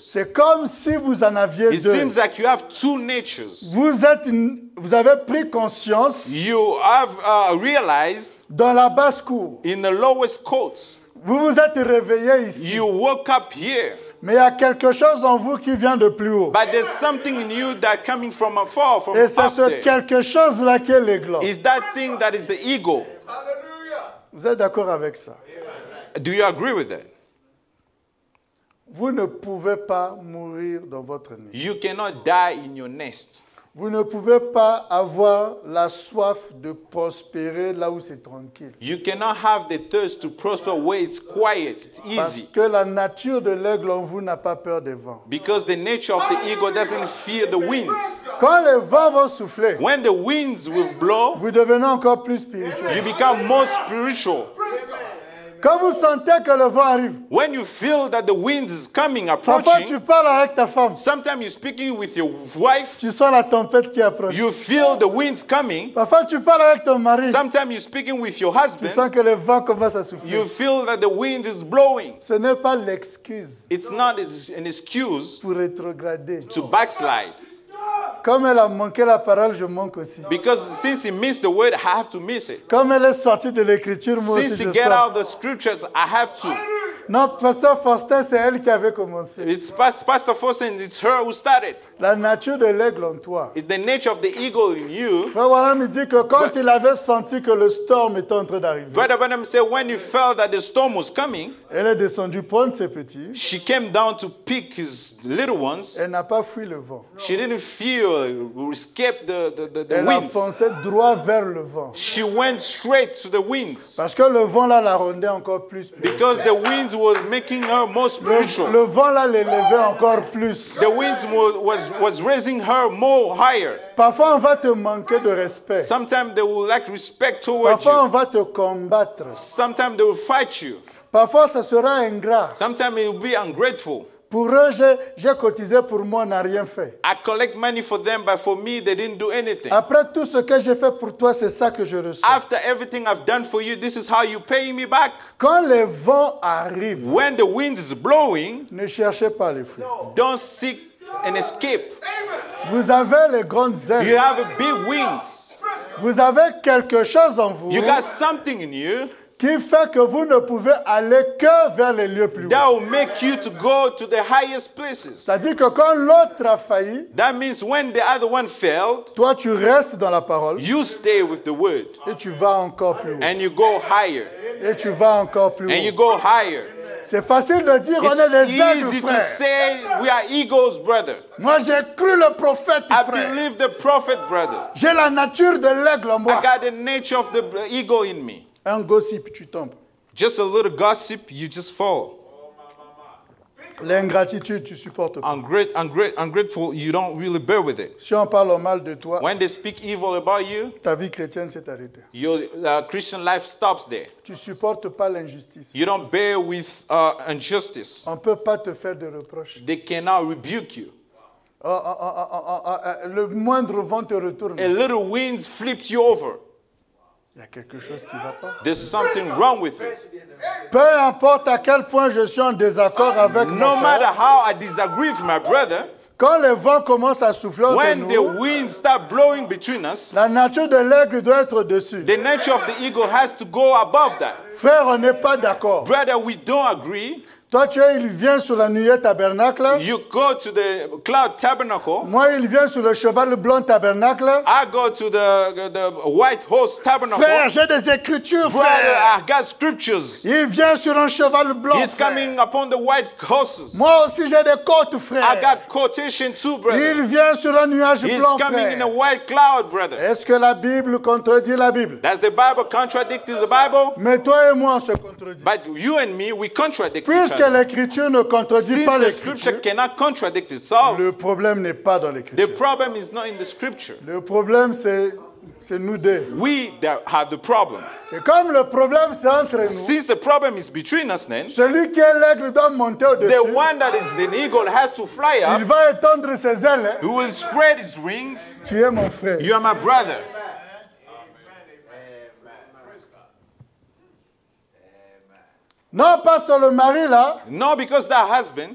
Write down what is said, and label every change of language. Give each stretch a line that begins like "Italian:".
French: C'est comme si vous en aviez
English: It
French: deux.
English: It seems like you have two natures.
French: Vous avez pris conscience,
English: you have realized,
French: dans la basse cour,
English: in the lowest courts.
French: Vous vous êtes réveillé ici.
English: You woke up here.
French: Mais il y a quelque chose en vous qui vient de plus haut.
English: But there's something in you that coming from afar, from
French: Et c'est ce
English: there.
French: Quelque chose là qui est l'aigle.
English: Is that thing that is the ego? Hallelujah.
French: Vous êtes d'accord avec ça?
English: Do you agree with that?
French: Vous ne pouvez pas mourir dans votre nid.
English: You cannot die in your nest.
French: Vous ne pouvez pas avoir la soif de prospérer là où c'est tranquille.
English: You cannot have the thirst to prosper where it's quiet, it's easy.
French: Parce que la nature de l'aigle en vous n'a pas peur des vents.
English: Because the nature of the ego doesn't fear the winds.
French: Quand les vents vont souffler,
English: when the winds will blow,
French: vous devenez encore plus spirituel.
English: You become more spiritual.
French: Quand vous sentez que le vent arrive,
English: when you feel that the wind is coming, approaching,
French: tu parles avec ta femme,
English: sometimes you're speaking with your wife,
French: tu sens la tempête qui approche,
English: you feel the winds coming,
French: tu parles avec ton mari,
English: sometimes you're speaking with your husband,
French: tu sens que le vent commence à souffler,
English: you feel that the wind is blowing.
French: Ce n'est pas l'excuse.
English: It's not an excuse
French: pour rétrograder.
English: To backslide.
French: Comme elle a manqué la parole, je manque aussi.
English: Because since he missed the word, I have to miss it.
French: Comme elle est sortie de l'écriture, moi
English: since
French: aussi
English: he
French: je
English: get
French: sors.
English: Out the scriptures, I have to.
French: Non, Pasteur Faustin, c'est elle qui avait commencé.
English: It's Pastor Faustin, it's her who started.
French: La nature de l'aigle en toi.
English: It's the nature of the eagle in you.
French: Frère Branham me dit que quand il avait senti que le storm était en train d'arriver.
English: Brother Branham said when you felt that the storm was coming.
French: Elle est descendue prendre ses petits.
English: She came down to pick his little ones.
French: Elle n'a pas fui le vent.
English: She didn't fear escape the
French: elle
English: winds.
French: Elle a foncé droit vers le vent.
English: She went straight to the winds.
French: Parce que le vent là la rendait encore plus.
English: Because the winds was making her more spiritual.
French: Le vent là l'élevait encore plus.
English: The winds was raising her more higher.
French: Parfois on va te manquer de respect.
English: Sometimes they will lack respect towards
French: parfois,
English: you.
French: Parfois on va te combattre.
English: Sometimes they will fight you.
French: Parfois ça sera ingrat.
English: Sometimes it will be ungrateful.
French: Pour eux, j'ai cotisé pour moi, n'a rien fait.
English: I collect money for them, but for me, they didn't do anything.
French: Après tout ce que j'ai fait pour toi, c'est ça que je reçois.
English: After everything I've done for you, this is how you pay me back.
French: Quand le vent arrive,
English: when the wind is blowing,
French: ne cherchez pas les fruits.
English: Don't seek an escape.
French: Vous avez les grandes ailes.
English: You have big wings.
French: Vous avez quelque chose en vous.
English: You got something in you.
French: Qui fait que vous ne pouvez aller que vers les lieux plus hauts.
English: That will make you to go to the highest places.
French: C'est-à-dire que quand l'autre a failli,
English: that means when the other one failed,
French: toi tu restes dans la parole.
English: You stay with the word.
French: Et tu vas encore plus haut.
English: And you go higher.
French: Et tu vas encore plus haut.
English: And you go higher.
French: C'est facile de dire on est des aigles, frère.
English: It's easy to say we are eagles, brother.
French: Moi j'ai cru le prophète, frère.
English: I believe the prophet, brother.
French: J'ai la nature de l'aigle en moi.
English: I got the nature of the eagle in me.
French: Un gossip, tu tombes.
English: Just a little gossip, you just fall. Oh,
French: l'ingratitude, tu supportes pas.
English: Ungrateful, you don't really bear with it.
French: Si on parle mal de toi,
English: when they speak evil about you,
French: ta vie chrétienne s'est arrêtée.
English: Your Christian life stops there.
French: Tu supportes pas l'injustice.
English: You don't bear with injustice.
French: On peut pas te faire de reproches.
English: They cannot rebuke you.
French: Le moindre vent te retourne.
English: A little wind flips you over.
French: Il y a quelque chose qui ne va pas.
English: There's something wrong with it.
French: Peu importe à quel point je suis en désaccord avec
English: no matter how I disagree with my brother,
French: quand le vent commence à souffler entre nous,
English: when the wind start blowing between us,
French: la nature de l'aigle doit être dessus.
English: The nature of the eagle has to go above that.
French: Frère, on n'est pas d'accord.
English: Brother, we don't agree.
French: Toi, tu es, il vient sur la nuée tabernacle.
English: You go to the cloud tabernacle.
French: Moi, il vient sur le cheval blanc tabernacle.
English: I go to the white horse tabernacle.
French: Frère, j'ai des écritures, frère.
English: Brother, I got scriptures.
French: Il vient sur un cheval blanc,
English: he's
French: frère.
English: Coming upon the white horses.
French: Moi aussi, j'ai des côtes, frère.
English: I got quotation too, brother.
French: Il vient sur un nuage
English: he's
French: blanc,
English: coming
French: frère.
English: In a white cloud, brother.
French: Est-ce que la Bible contredit la Bible?
English: Does the Bible contradict the Bible?
French: Mais toi et moi, on se contredit.
English: But you and me, we contradict.
French: Puisque l'écriture ne contredit
English: since
French: pas
English: the
French: l'écriture,
English: scripture cannot contradict itself,
French: le problème n'est pas dans l'écriture.
English: The problem is not in the scripture.
French: Le problème c'est nous deux.
English: We that have the problem.
French: Et comme le problème c'est entre nous,
English: since the problem is between us, then,
French: celui qui est l'aigle doit monter au-dessus.
English: The one that is an eagle has to fly up.
French: Il va étendre ses ailes.
English: He will spread his wings.
French: Tu es mon frère.
English: You are my brother.
French: Non, parce que le mari là.
English: No, because that husband.